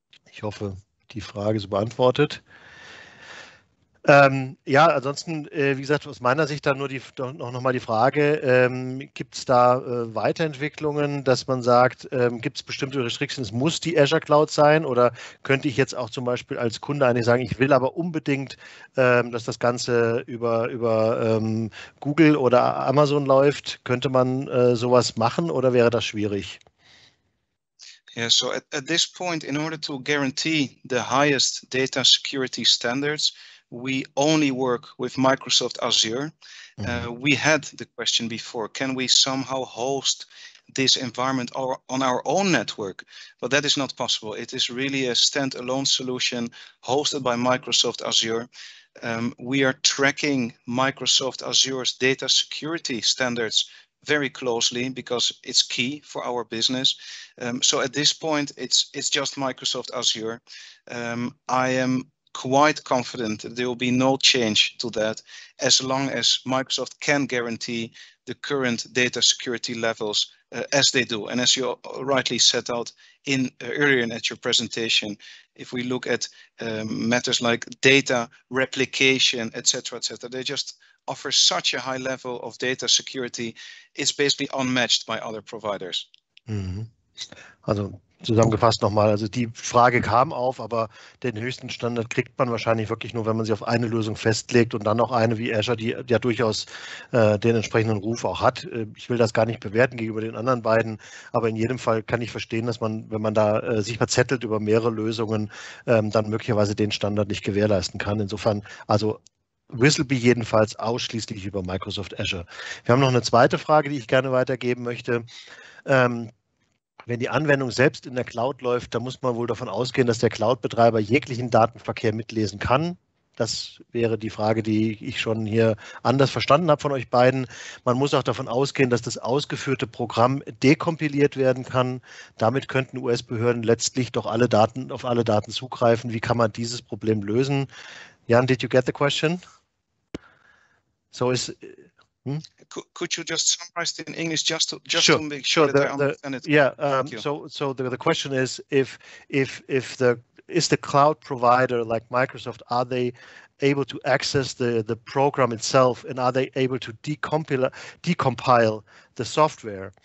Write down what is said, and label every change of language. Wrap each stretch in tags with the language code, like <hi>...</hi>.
<de>Ich hoffe, die Frage ist beantwortet. Ansonsten, wie gesagt, aus meiner Sicht dann nur noch mal die Frage, gibt es da Weiterentwicklungen, dass man sagt, gibt es bestimmte Restrictions, es muss die Azure Cloud sein oder könnte ich jetzt auch zum Beispiel als Kunde eigentlich sagen, ich will aber unbedingt, dass das Ganze über Google oder Amazon läuft, könnte man sowas machen oder wäre das schwierig?</de> <en>Yeah, so at this point, in order to guarantee the highest data security standards, we only work with Microsoft Azure. We had the question before, can we somehow host this environment or on our own network? But that is not possible. It is really a standalone solution hosted by Microsoft Azure. We are tracking Microsoft Azure's data security standards very closely because it's key for our business. So at this point, it's just Microsoft Azure. I am quite confident that there will be no change to that as long as Microsoft can guarantee the current data security levels, as they do. And as you rightly set out earlier in at your presentation, if we look at matters like data replication, et cetera, they just offer such a high level of data security, it's basically unmatched by other providers.</en> <de>Also zusammengefasst nochmal, also die Frage kam auf, aber den höchsten Standard kriegt man wahrscheinlich wirklich nur, wenn man sich auf eine Lösung festlegt und dann noch eine wie Azure, die ja durchaus den entsprechenden Ruf auch hat. Ich will das gar nicht bewerten gegenüber den anderen beiden, aber in jedem Fall kann ich verstehen, dass man, wenn man da sich verzettelt über mehrere Lösungen, dann möglicherweise den Standard nicht gewährleisten kann. Insofern, also Whistleby jedenfalls ausschließlich über Microsoft Azure. Wir haben noch eine zweite Frage, die ich gerne weitergeben möchte. Wenn die Anwendung selbst in der Cloud läuft, dann muss man wohl davon ausgehen, dass der Cloud-Betreiber jeglichen Datenverkehr mitlesen kann. Das wäre die Frage, die ich schon hier anders verstanden habe von euch beiden. Man muss auch davon ausgehen, dass das ausgeführte Programm dekompiliert werden kann. Damit könnten US-Behörden letztlich doch auf alle Daten zugreifen. Wie kann man dieses Problem lösen?</de> <en>Jan, did you get the question? Could you just summarize it in English just to Sure, make sure that I understand it correctly? Thank you. The question is, is the cloud provider like Microsoft, are they able to access the program itself and are they able to decompile the software?</en>